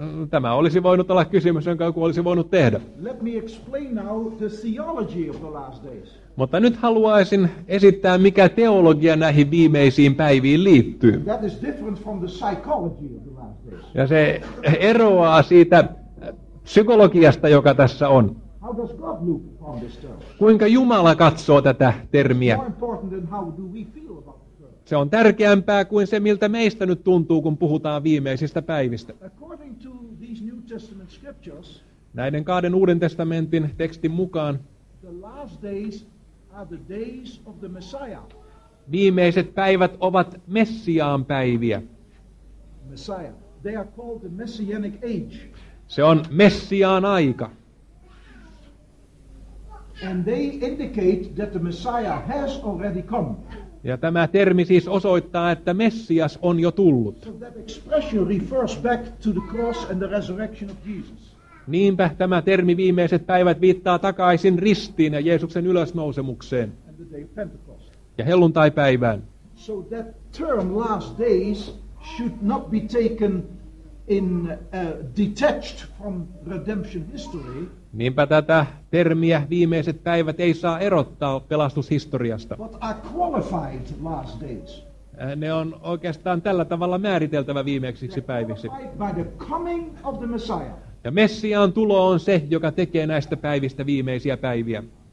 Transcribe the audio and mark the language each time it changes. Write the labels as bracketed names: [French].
[Finnish] Tämä olisi voinut olla kysymys, jonka joku olisi voinut tehdä. [English] Let me explain now the theology of the last days. [Finnish] Mutta nyt haluaisin esittää, mikä teologia näihin viimeisiin päiviin liittyy. [English] That is different from the psychology of the last days. [Finnish] Ja se eroaa siitä psykologiasta, joka tässä on. [English] How does God look upon this term? [Finnish] Kuinka Jumala katsoo tätä termiä? [English] More important than how do we feel about it. [Finnish] Se on tärkeämpää kuin se, miltä meistä nyt tuntuu, kun puhutaan viimeisistä päivistä. [English] According to these New Testament scriptures, [Finnish] näiden kahden Uuden testamentin tekstin mukaan, [English] the last days are the days of the Messiah. [Finnish] Viimeiset päivät ovat Messiaan päiviä. [English] Messiah. They are called the Messianic age. [Finnish] Se on Messiaan aika. [English] And they indicate that the Messiah has already come. [Finnish] Ja tämä termi siis osoittaa, että Messias on jo tullut. [English] So that expression refers back to the cross and the resurrection of Jesus. [Finnish] Niinpä tämä termi viimeiset päivät viittaa takaisin ristiin ja Jeesuksen ylösnousemukseen ja helluntaipäivään. [English] So that term last days should not be taken in detached from redemption history. [Finnish] Niinpä tätä termiä viimeiset päivät ei saa erottaa pelastushistoriasta. [English] But are qualified last days. [Finnish] Ne on oikeastaan tällä tavalla määriteltävä viimeiseksi päiviksi. [English] By the coming of the Messiah. [Finnish] Ja Messiaan tulo on se, joka tekee näistä päivistä viimeisiä päiviä.